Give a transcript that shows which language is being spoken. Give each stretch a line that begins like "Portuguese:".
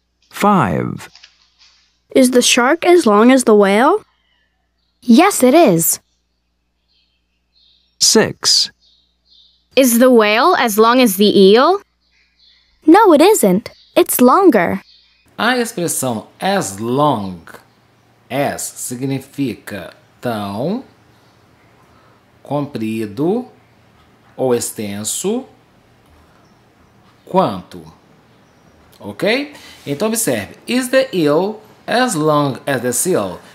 English: 5. Is the shark as long as the whale? Yes, it is. 6. Is the whale as long as the eel? No, it isn't. It's longer.
Portuguese: A expressão as long as significa tão, comprido ou extenso, quanto? Ok? Então observe.
English: Is the eel as long as the seal?